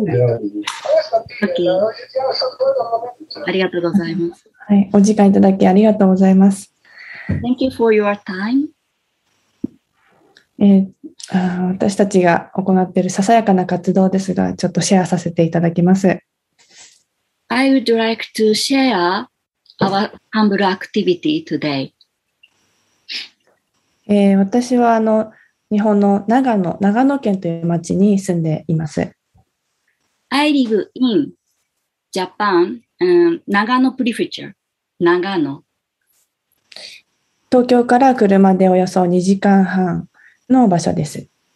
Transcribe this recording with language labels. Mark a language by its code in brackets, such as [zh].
[en] Okay. [ja] ありがとうございます。はい、お時間いただきありがとうございます。 [en] Thank you for your time. [ja] 私たちが行っているささやかな活動ですが、ちょっとシェアさせていただきます。 [en] I would like to share our humble activity today. [ja] 私は日本の長野県という町に住んでいます。 [en] I live in Japan, 長野 prefecture, 長野。 [ja] 東京から車でおよそ2時間半の場所です。